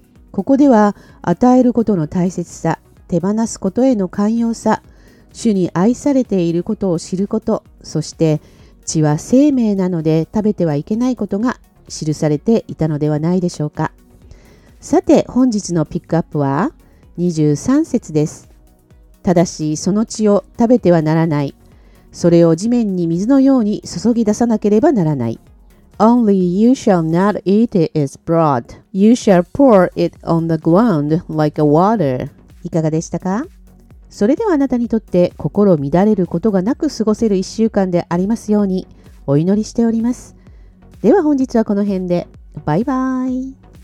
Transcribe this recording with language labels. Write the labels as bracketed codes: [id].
[ja] ここでは与えることの大切さ、手放すことへの寛容さ、主に愛されていることを知ること、そして血は生命なので食べてはいけないことが記されていたのではないでしょうか。さて、本日のピックアップは23節です。ただしその血を食べてはならない。それを地面に水のように注ぎ出さなければならない。 [en] Only you shall not eat it as blood. You shall pour it on the ground like a water. [ja] いかがでしたか。それではあなたにとって心乱れることがなく過ごせる一週間でありますようにお祈りしております。では本日はこの辺で。バイバイ。